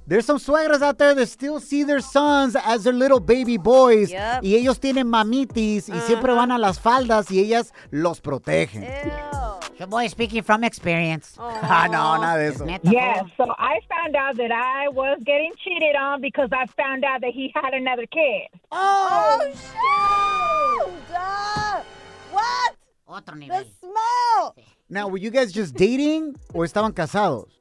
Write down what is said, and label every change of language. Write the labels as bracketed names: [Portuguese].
[English] There's some suegras out there that still see their sons as their little baby boys. Yep. [Spanish] Y ellos tienen mamitis y siempre van a las faldas y ellas los protegen. [English] Ew. Your boy speaking from experience. No, not this one. Yes, so I found out that I was getting cheated on because I found out that he had another kid. Oh shoot! What? [Spanish] Otro nivel. [English] The smell! Now, were you guys just dating or [Spanish] estaban casados?